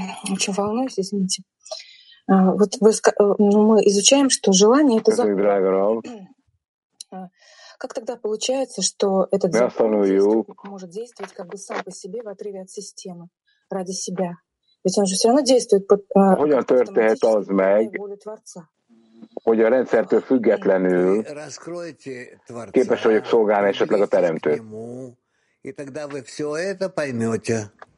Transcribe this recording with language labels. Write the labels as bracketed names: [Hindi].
[Russian] Очень волнуюсь, извините. Вот вы, мы изучаем, что желание это за. Как тогда получается, что этот может действовать как бы сам по себе в отрыве от системы, ради себя? Ведь он же все равно действует под волей Творца. [Hungarian] Hogy a rendszertől függetlenül képes vagyok szolgálni esetleg a teremtőt. [Russian] И тогда вы все это поймете.